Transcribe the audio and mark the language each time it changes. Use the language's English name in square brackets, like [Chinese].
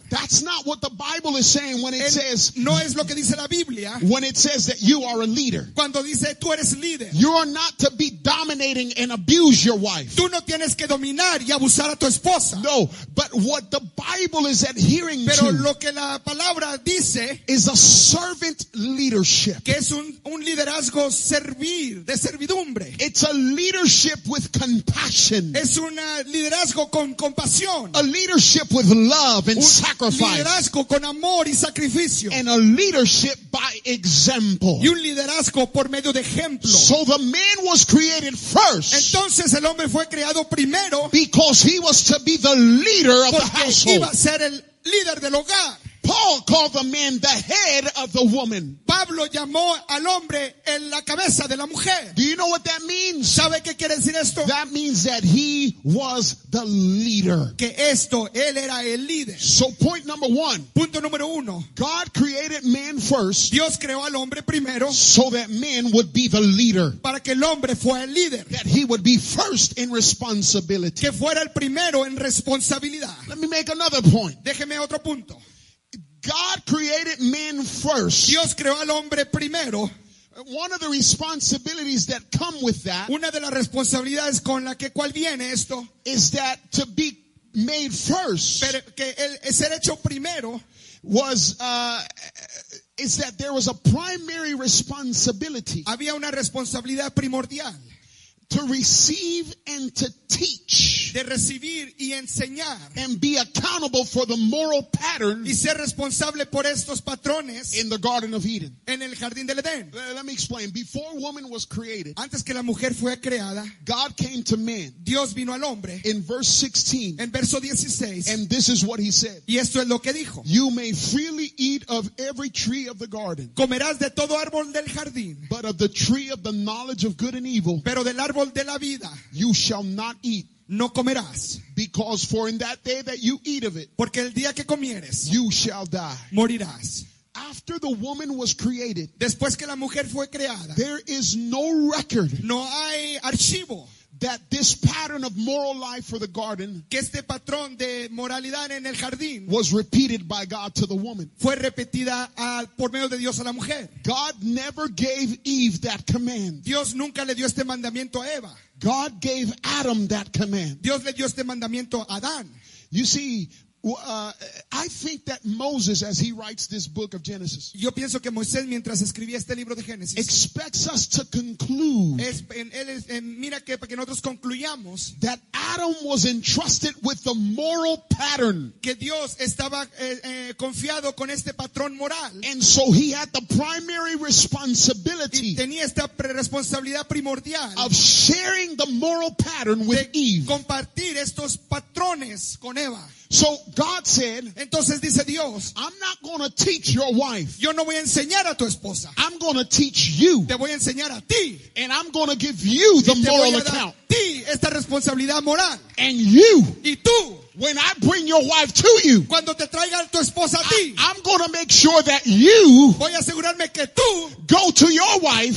[English] That's not what the Bible is saying when it says. [Spanish] No es lo que dice la Biblia. [English] When it says that you are a leader. [Spanish] Cuando dice tú eres líder. [English] You are not to be dominating and abuse your wife. [Spanish] Tú no tienes que dominar y abusar a tu esposa. [English] No, but what the Bible is adhering [Spanish] pero [English] to. [Spanish] Pero lo que la palabra dice [English] is a servant leadership. [Spanish] Que es un liderazgo servir, de servidumbre. [English] It's a leadership with compassion. [Spanish] Es un liderazgo con compasión. [English] A leadership with love and [Spanish] un [English] sacrifice. [Spanish] Liderazgo con amor y sacrificio. [English] And a leadership by example. [Spanish] Y un liderazgo por medio de ejemplo. [English] So the man was created first. [Spanish] Entonces el hombre fue creado primero. [English] Because he was to be the leader of the household. [Spanish] Iba a ser el líder del hogar. [English] Paul called the man the head of the woman. [Spanish] Pablo llamó al hombre en la cabeza de la mujer. [English] Do you know what that means? [Spanish] ¿Sabe qué quiere decir esto? [English] That means that he was the leader. [Spanish] Que esto, él era el líder. [English] So point number one. [Spanish] Punto número uno. [English] God created man first. [Spanish] Dios creó al hombre primero. [English] So that man would be the leader. [Spanish] Para que el hombre fuera el líder. [English] That he would be first in responsibility. [Spanish] Que fuera el primero en responsabilidad. [English] Let me make another point. [Spanish] Déjeme otro punto. [English] God created man first. [Spanish] Dios creó al hombre primero. [English] One of the responsibilities that come with that, [Spanish] una de las responsabilidades con la que cual viene esto, [English] is that to be made first, [Spanish] pero que el ser hecho primero, [English] was is that there was a primary responsibility. [Spanish] Había una responsabilidad primordial. [English] To receive and to teach. [Spanish] De recibir y enseñar. [English] And be accountable for the moral patterns. [Spanish] Y ser responsable por estos patrones. [English] In the Garden of Eden. [Spanish] En el Jardín del Edén. [English] Let me explain. Before woman was created. [Spanish] Antes que la mujer fue creada. [English] God came to man. [Spanish] Dios vino al hombre. [English] In verse 16. [Spanish] En verso 16. [English] And this is what he said. [Spanish] Y esto es lo que dijo. [English] You may freely eat of every tree of the garden. [Spanish] Comerás de todo árbol del jardín. [English] But of the tree of the knowledge of good and evil. [Spanish] Pero del árbol de la vida. [English] You shall not eat. [Spanish] No comerás. [English] Because for in that day that you eat of it, [Spanish] porque el día que comieres, [English] you shall die. [Spanish] Morirás. [English] After the woman was created, [Spanish] después que la mujer fue creada, [English] there is no record, [Spanish] no hay archivo, [English] that this pattern of moral life for the garden, [Spanish] que este patrón de moralidad en el jardín, [English] was repeated by God to the woman. [Spanish] Fue repetida por medio de Dios a la mujer. [English] God never gave Eve that command. [Spanish] Dios nunca le dio este mandamiento a Eva. [English] God gave Adam that command. [Spanish] Dios le dio este mandamiento a Adán. [English] You see, I think that Moses, as he writes this book of Genesis, [Spanish] yo pienso que Moisés, mientras escribía este libro de Génesis, [English] expects us to conclude [Spanish] que nosotros concluyamos [English] that Adam was entrusted with the moral pattern. [Spanish] Que Dios estaba confiado con este patrón moral. [English] And so he had the primary responsibility, [Spanish] y tenía esta responsabilidad primordial, [English] of sharing the moral pattern with Eve. [Spanish] Compartir estos patrones con Eva. [English] So God said, [Spanish] entonces dice Dios, [English] I'm not going to teach your wife. [Spanish] Yo no voy a enseñar a tu esposa. [English] I'm going to teach you. [Spanish] Te voy a enseñar a ti. [English] And I'm going to give you the moral account. [Spanish] Ti esta responsabilidad moral. [English] And you. [Spanish] Y tú. [English] When I bring your wife to you, [Spanish] cuando te traiga tu esposa a ti, [English] I'm going to make sure that you, [Spanish] voy a asegurarme que tú, [English] go to your wife,